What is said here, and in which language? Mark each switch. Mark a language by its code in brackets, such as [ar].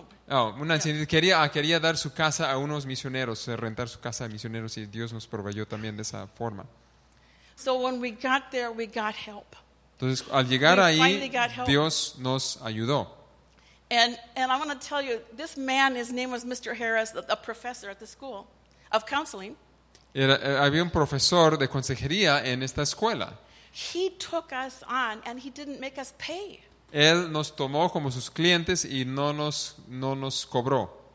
[es] Oh, una ancianita quería dar su casa a unos misioneros, rentar su casa a misioneros, y Dios nos proveyó también de esa forma. [en] So when we got there, we got help. [es] Entonces, al llegar ahí, Dios nos ayudó. [en] And I want to tell you, this man, his name was Mr. Harris, a professor at the school of counseling. [es] Había un profesor de consejería en esta escuela. [en] He took us on, and he didn't make us pay. [es] Él nos tomó como sus clientes y no nos cobró.